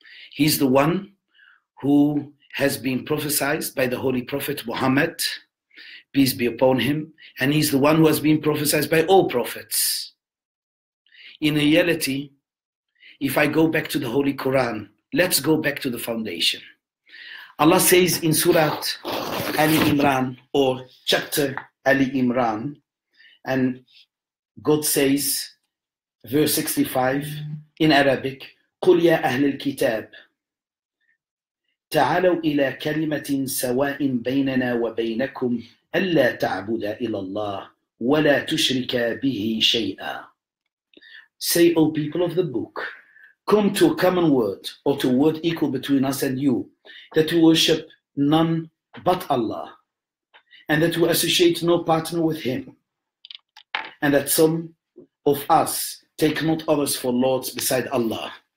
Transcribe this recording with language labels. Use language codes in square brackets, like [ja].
[en] He's the one who has been prophesied by the Holy Prophet Muhammad, peace be upon him, and he's the one who has been prophesied by all prophets. In reality, if I go back to the Holy Quran, let's go back to the foundation. Allah says in Surah Ali Imran, or chapter Ali Imran, and God says, verse 65 in Arabic, [ar] قُلْ يَا أَهْلِ الْكِتَابِ تَعَالَوْا إِلَىٰ كَلِمَةٍ سَوَاءٍ بَيْنَنَا وَبَيْنَكُمْ أَلَّا تَعْبُدَ إِلَى اللَّهِ وَلَا تُشْرِكَ بِهِ شَيْئًا. [en] Say, O people of the book, come to a common word, or to a word equal between us and you, that we worship none but Allah, and that we associate no partner with him, and that some of us take not others for lords beside Allah.